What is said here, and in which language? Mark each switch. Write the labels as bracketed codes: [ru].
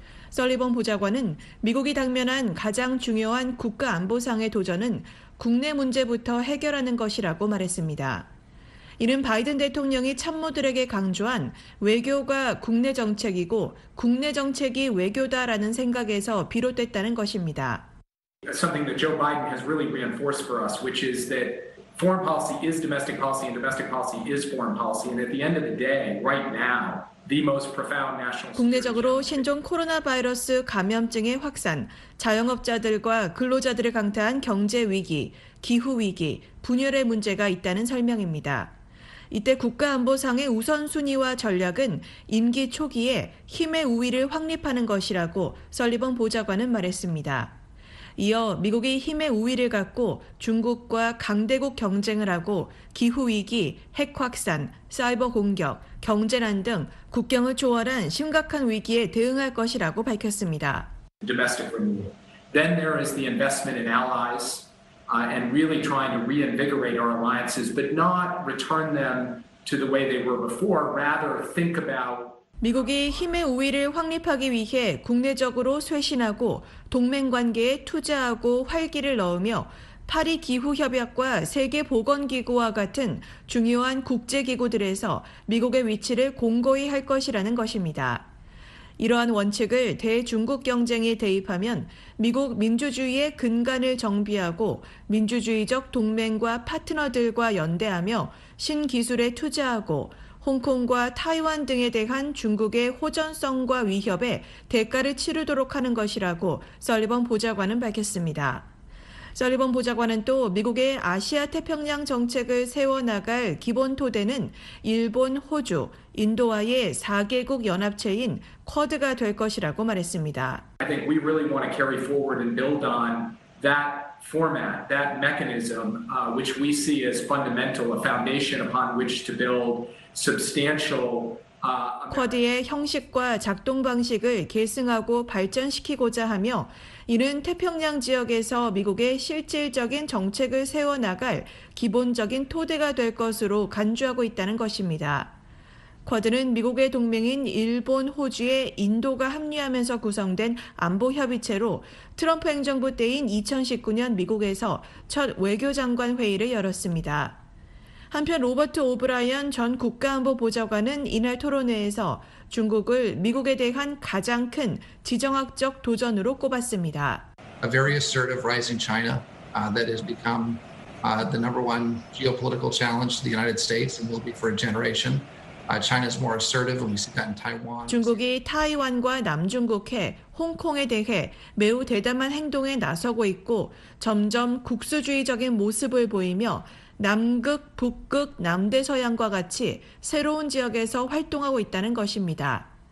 [ko] 설리번 보좌관은 미국이 당면한 가장 중요한 국가안보상의 도전은 국내 문제부터 해결하는 것이라고 말했습니다. 이는 바이든 대통령이 참모들에게 강조한 외교가 국내 정책이고 국내 정책이 외교다라는 생각에서 비롯됐다는 것입니다. [en] Something that Joe Biden has really reinforced for us, which is that foreign policy is domestic policy and domestic policy is foreign policy. And at the end of the day, right now, the most profound national. [ko] 국내적으로 신종 코로나 바이러스 감염증의 확산, 자영업자들과 근로자들을 강타한 경제 위기, 기후 위기, 분열의 문제가 있다는 설명입니다. 이때 국가안보상의 우선순위와 전략은 임기 초기에 힘의 우위를 확립하는 것이라고 설리번 보좌관은 말했습니다. 이어 미국이 힘의 우위를 갖고 중국과 강대국 경쟁을 하고 기후위기, 핵확산, 사이버 공격, 경제난 등 국경을 초월한 심각한 위기에 대응할 것이라고 밝혔습니다. [en] Domestic renewal. Then there is the investment in allies. And really trying to reinvigorate our alliances, but not return them to the way they were before. Rather, think about [ko] 미국이 힘의 우위를 확립하기 위해 국내적으로 쇄신하고 동맹 관계에 투자하고 활기를 넣으며 파리 기후 협약과 세계 보건 기구와 같은 중요한 국제 기구들에서 미국의 위치를 공고히 할 것이라는 것입니다. 이러한 원칙을 대중국 경쟁에 대입하면 미국 민주주의의 근간을 정비하고 민주주의적 동맹과 파트너들과 연대하며 신기술에 투자하고 홍콩과 타이완 등에 대한 중국의 호전성과 위협에 대가를 치르도록 하는 것이라고 설리번 보좌관은 밝혔습니다. 설리번 보좌관은 또 미국의 아시아 태평양 정책을 세워나갈 기본 토대는 일본, 호주, 인도와의 4개국 연합체인 쿼드가 될 것이라고 말했습니다. [en] I think we really want to carry forward and build on that format, that mechanism, which we see as fundamental, a foundation upon which to build substantial [ko] 쿼드의 형식과 작동 방식을 계승하고 발전시키고자 하며 이는 태평양 지역에서 미국의 실질적인 정책을 세워나갈 기본적인 토대가 될 것으로 간주하고 있다는 것입니다. 쿼드는 미국의 동맹인 일본, 호주에 인도가 합류하면서 구성된 안보협의체로 트럼프 행정부 때인 2019년 미국에서 첫 외교장관 회의를 열었습니다. 한편 로버트 오브라이언 전 국가안보보좌관은 이날 토론회에서 중국을 미국에 대한 가장 큰 지정학적 도전으로 꼽았습니다. [en] A very assertive rising China that has become the number one geopolitical challenge to the United States and will be for a generation. China is more assertive and we see that in Taiwan. [ko] 중국이 타이완과 남중국해, 홍콩에 대해 매우 대담한 행동에 나서고 있고 점점 국수주의적인 모습을 보이며 남극, 북극, 남대서양과 같이 새로운 지역에서 활동하고 있다는 것입니다.